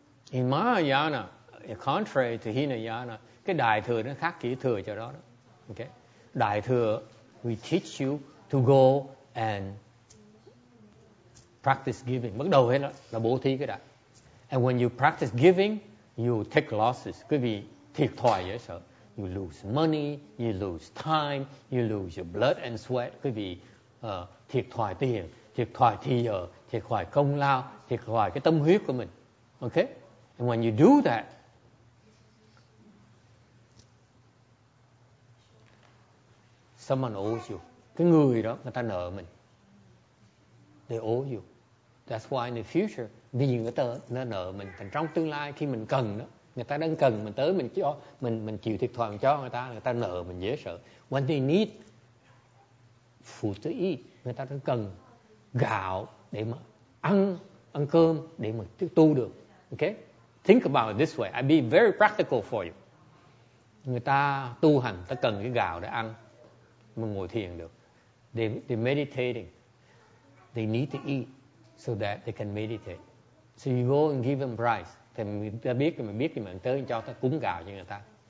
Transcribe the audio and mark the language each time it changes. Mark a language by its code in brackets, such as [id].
[en] In Mahayana, contrary to Hinayana, [vi] cái đại thừa nó khác kỹ thừa cho đó. [en] Okay, đại thừa, we teach you to go and practice giving. [vi] Bắt đầu hết đó là bố thí cái đại. [en] And when you practice giving, you take losses. [vi] Quý vị thiệt thòi dễ sợ. [en] You lose money, you lose time, you lose your blood and sweat. [vi] Quý vị thiệt thòi tiền, thiệt thòi thì giờ, thiệt thòi công lao, thiệt thòi cái tâm huyết của mình. [en] Okay? And when you do that, someone owes you. [vi] Cái người đó, người ta nợ mình. [en] They owe you. That's why in the future, [vi] vì người ta nó nợ mình. Thành trong tương lai khi mình cần đó, người ta đang cần mình tới, mình cho, mình chịu thiệt thòi cho người ta nợ mình dễ sợ. [en] When they need food to eat, [vi] người ta đang cần gạo để mà ăn cơm để mà tu được. [en] Okay? Think about it this way. I'll be very practical for you. [vi] Người ta tu hành, ta cần cái gạo để ăn, mà ngồi thiền được. [en] They meditating. They need to eat so that they can meditate. So you go and give them rice. [vi] Thì ta biết, mình biết thì mình tới cho ta cúng gạo cho người ta.